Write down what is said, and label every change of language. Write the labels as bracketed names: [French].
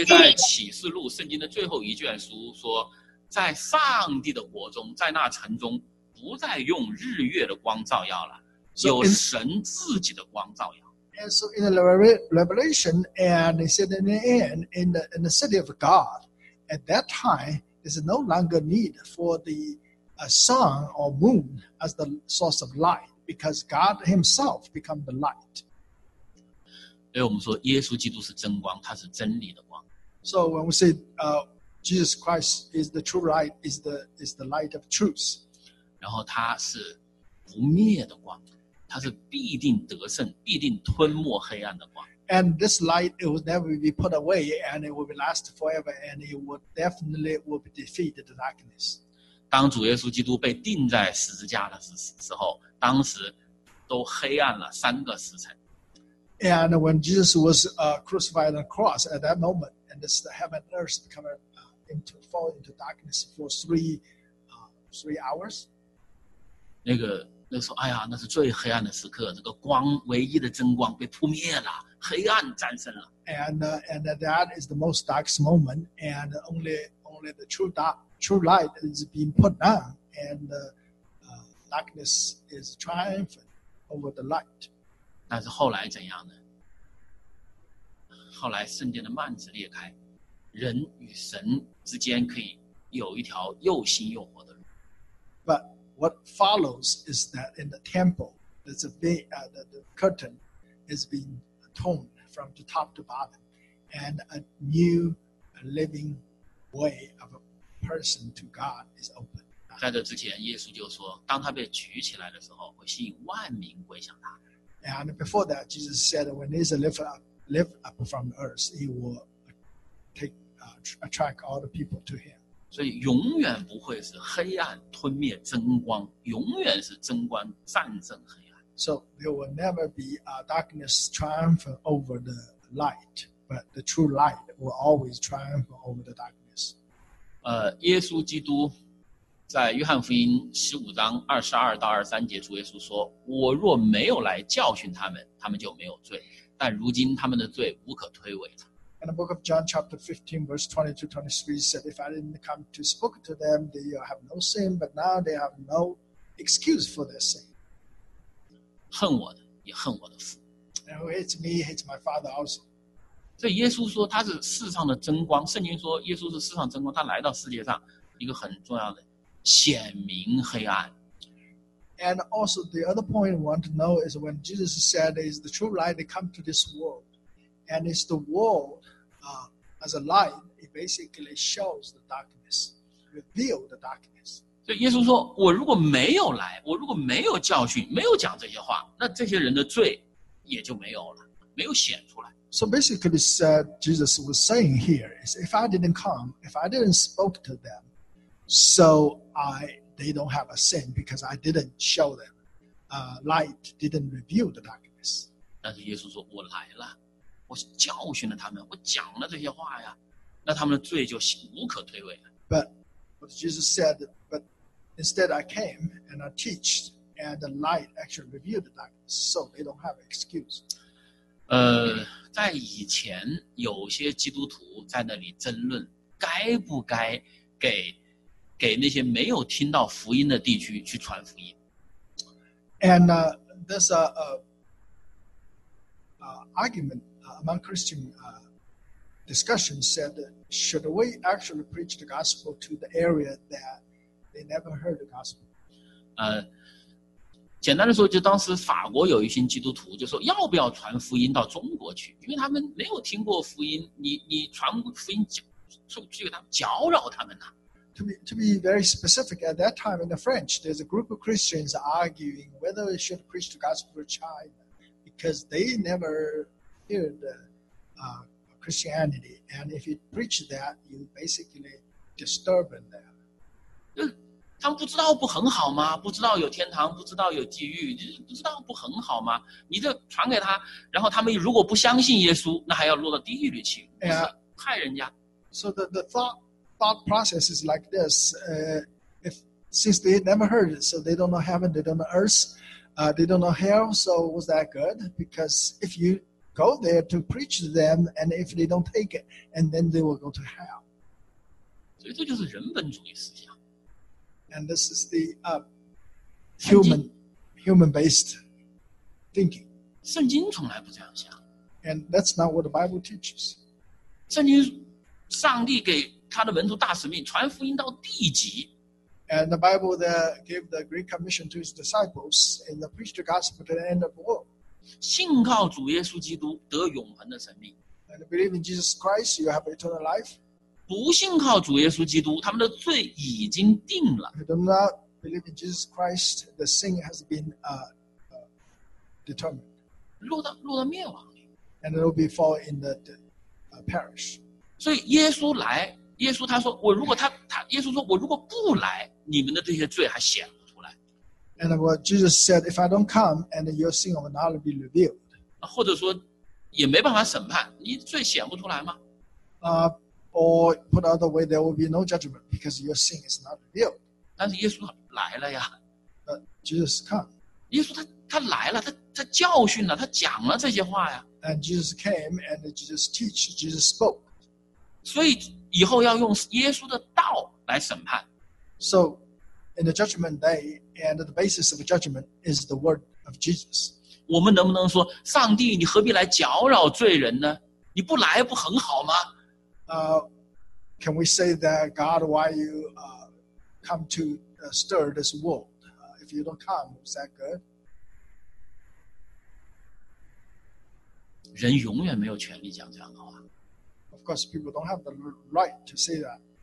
[Chinese] 所以在启示录圣经的最后一卷书说，在上帝的国中，在那城中，不再用日月的光照耀了，有神自己的光照耀。 [English] And so in the Revelation, and they said in the end, in the city of God, at that time, there's no longer need for the sun or moon as the source of light, because God Himself become the light. [Chinese] 所以我们说耶稣基督是真光，他是真理的光。 [English] So when we say Jesus Christ is the true light, is the light of truth. [Chinese] 然后他是不灭的光。它是必定得胜，必定吞没黑暗的光。 [English] And this light, it will never be put away, and it will be last forever, and it will definitely will be defeated the darkness. [Chinese] 当主耶稣基督被钉在十字架的时候，当时都黑暗了三个时辰。 [English] And when Jesus was crucified on the cross at that moment, and this the heaven and earth become fall into darkness for three hours. [Chinese] 那个那说哎呀，那是最黑暗的时刻，这个光唯一的真光被扑灭了，黑暗战胜了。 [English] And that is the most darkest moment, and only the true light is being put down, and darkness is triumphant over the light. [Chinese] 但是后来怎样呢？后来圣殿的幔子裂开，人与神之间可以有一条又新又活的路。 [English] But what follows is that in the temple, there's a big, the curtain is being torn from the top to bottom, and a new living way of a person to God is open. [Chinese] 在这之前，耶稣就说，当他被举起来的时候，会吸引万民归向他。 [English] And before that, Jesus said, when he's lift up from the earth, he will attract all the people to him. [Chinese] 所以永远不会是黑暗吞灭真光，永远是真光战胜黑暗。 [English] So there will never be a darkness triumph over the light, but the true light will always triumph over the darkness. [Chinese] 耶稣基督在约翰福音十五章二十二到二十三节，主耶稣说：“我若没有来教训他们，他们就没有罪。” 但如今他们的罪无可推诿了。 [English] In the book of John, chapter 15, verse 22 to 23, said, "If I didn't come to speak to them, they have no sin. But now they have no excuse for their sin." [Chinese] 恨我的，也恨我的父。 [English] And who hates me, hates my father also. [Chinese] 所以耶稣说他是世上的真光。圣经说耶稣是世上真光，他来到世界上一个很重要的显明黑暗。 [English] And also the other point I want to know is when Jesus said is the true light that come to this world, and it's the world as a light, it basically shows the darkness, reveal the darkness. [Chinese] 所以耶稣说，我如果没有来，我如果没有教训，没有讲这些话，那这些人的罪也就没有了，没有显出来。 [English] So basically said Jesus was saying here is if I didn't come, if I didn't spoke to them, so they don't have a sin because I didn't show them. Light didn't reveal the darkness. [Chinese] 但是耶稣说，我来了，我教训了他们，我讲了这些话呀，那他们的罪就无可推诿了。 [English] But what Jesus said, but instead I came and I teached and the light actually revealed the darkness, so they don't have an excuse. [Chinese] 在以前有些基督徒在那里争论该不该给那些没有听到福音的地区去传福音。 [English] And there's a argument among Christian discussion said that should we actually preach the gospel to the area that they never heard the gospel? [Chinese] 简单的说，就当时法国有一群基督徒就说要不要传福音到中国去，因为他们没有听过福音，你传福音去给他们搅扰他们呢。 [English] To be very specific, at that time in the French, there's a group of Christians arguing whether they should preach the gospel to China because they never heard Christianity. And if you preach that, you basically disturb them. [Chinese] 他们不知道不很好吗？不知道有天堂，不知道有地狱，不知道不很好吗？你这传给他，然后他们如果不相信耶稣，那还要落到地狱里去，不是害人家。 [English] So the thought process is like this. Since they never heard it, so they don't know heaven, they don't know earth, they don't know hell, so was that good? Because if you go there to preach to them, and if they don't take it, and then they will go to hell. So this is the human thought. And this is the human-based thinking. [Chinese] 圣经从来不这样想。 [English] And that's not what the Bible teaches. [Chinese] 圣经上帝给他的门徒大使命，传福音到地极。 [English] And the Bible that gave the great commission to his disciples and the preached the gospel to the end of the world. [Chinese] 信靠主耶稣基督得永恒的生命。 [English] And believe in Jesus Christ, you have eternal life. [Chinese] 不信靠主耶稣基督，他们的罪已经定了。 [English] Do not believe in Jesus Christ, the sin has been determined. [Chinese] 落到灭亡。 [English] And it will be fall in the perish. [Chinese] 所以耶稣来。耶稣他说我如果他耶稣说我如果不来，你们的这些罪还显不出来。 [English] And what Jesus said, if I don't come, and your sin will not be revealed. [Chinese] 或者说也没办法审判，你罪显不出来吗？ [English] Or put out the way, there will be no judgment because your sin is not revealed. [Chinese] 但是耶稣来了呀。 [English] But Jesus come. [Chinese] 耶稣他来了，他教训了，他讲了这些话呀。 [English] And Jesus came and Jesus teach, Jesus spoke. [Chinese] 所以以后要用耶稣的道来审判。 [English] So, in the judgment day, and the basis of judgment is the word of Jesus. [Chinese] 我们能不能说，上帝，你何必来搅扰罪人呢？你不来不很好吗？ [English] Can we say that God, why you come to stir this world? If you don't come, is that good? [Chinese] 人永远没有权利讲这样的话。 [English] Of course, people don't have the right to say that.